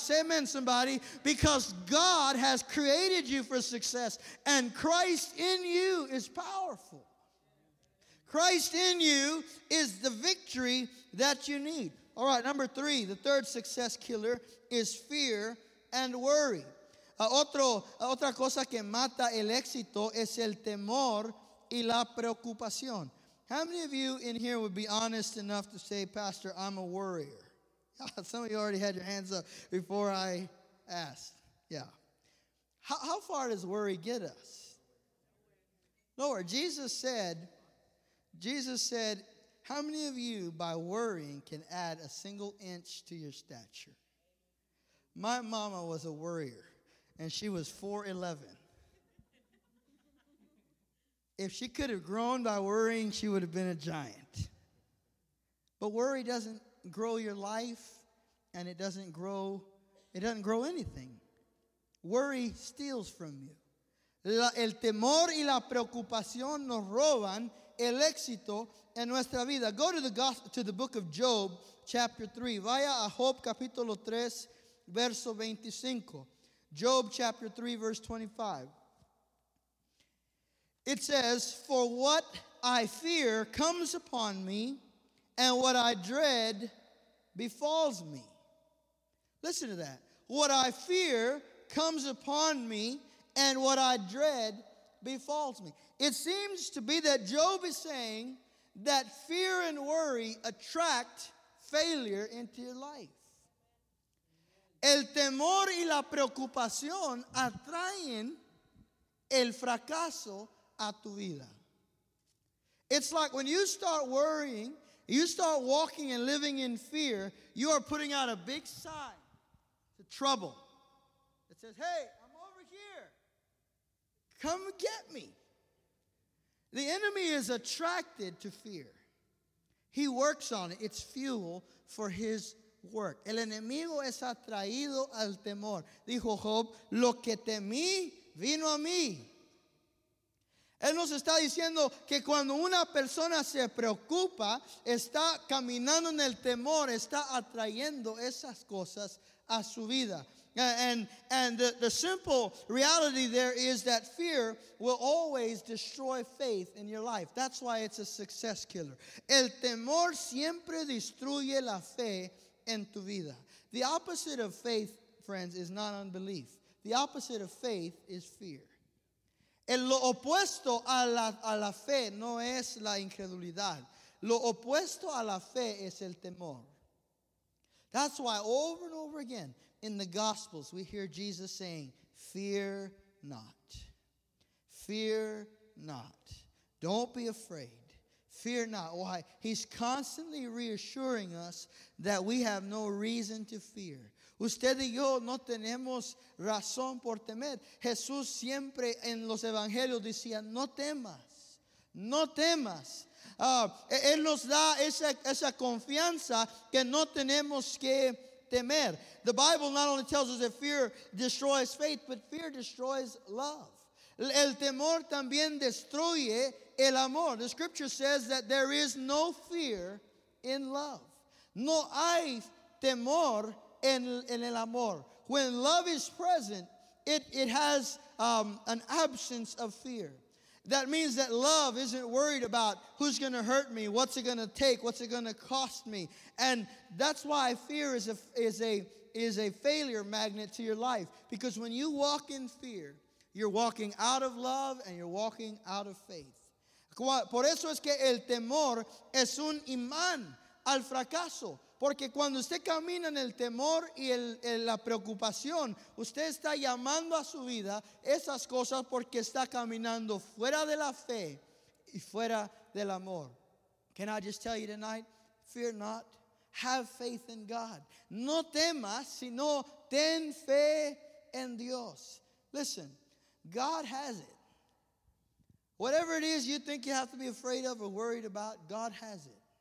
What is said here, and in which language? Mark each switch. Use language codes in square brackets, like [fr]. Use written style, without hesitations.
[en] Say amen, somebody. Because God has created you for success. And Christ in you is powerful. Christ in you is the victory that you need. All right, number three, the third success killer is fear and worry. [es] Otra cosa que mata el éxito es el temor y la preocupación. [en] How many of you in here would be honest enough to say, Pastor, I'm a worrier? Some of you already had your hands up before I asked. Yeah. How far does worry get us? Lord, Jesus said, how many of you by worrying can add a single inch to your stature? My mama was a worrier, and she was 4'11". If she could have grown by worrying, she would have been a giant. But worry doesn't grow your life, and it doesn't grow anything. Worry steals from you. [es] El temor y la preocupación nos roban el éxito en nuestra vida. [en] Go to the book of Job, chapter 3. [es] Vaya a Job, capítulo 3, verso 25. [en] Job, chapter 3, verse 25. It says, for what I fear comes upon me, and what I dread befalls me. Listen to that. What I fear comes upon me, and what I dread befalls me. It seems to be that Job is saying that fear and worry attract failure into your life. [es] El temor y la preocupación atraen el fracaso a tu vida. [en] It's like when you start worrying, you start walking and living in fear, you are putting out a big sign to trouble. It says, hey, I'm over here. Come get me. The enemy is attracted to fear. He works on it. It's fuel for his work. [es] El enemigo es atraído al temor. Dijo Job, lo que temí vino a mí. Él nos está diciendo que cuando una persona se preocupa, está caminando en el temor, está atrayendo esas cosas a su vida. [en] And the simple reality there is that fear will always destroy faith in your life. That's why it's a success killer. El temor siempre destruye la fe en tu vida. The opposite of faith, friends, is not unbelief. The opposite of faith is fear. [es] El lo opuesto a la fe no es la incredulidad. Lo opuesto a la fe es el temor. [en] That's why over and over again in the Gospels we hear Jesus saying, fear not. Fear not. Don't be afraid. Fear not. Why? He's constantly reassuring us that we have no reason to fear. [es] Usted y yo no tenemos razón por temer. Jesús siempre en los evangelios decía, no temas. No temas. Él nos da esa confianza que no tenemos que temer. [en] The Bible not only tells us that fear destroys faith, but fear destroys love. [es] El temor también destruye el amor. [en] The scripture says that there is no fear in love. [es] No hay temor en el amor. [en] When love is present, it has an absence of fear. That means that love isn't worried about who's going to hurt me, what's it going to take, what's it going to cost me. And that's why fear is a failure magnet to your life. Because when you walk in fear, you're walking out of love and you're walking out of faith. [es] Por eso es que el temor es un imán al fracaso. Porque cuando usted camina en el temor y la preocupación, usted está llamando a su vida esas cosas porque está caminando fuera de la fe y fuera del amor. [en] Can I just tell you tonight, fear not, have faith in God. [es] No temas, sino ten fe en Dios. [en] Listen, God has it. Whatever it is you think you have to be afraid of or worried about, God has it.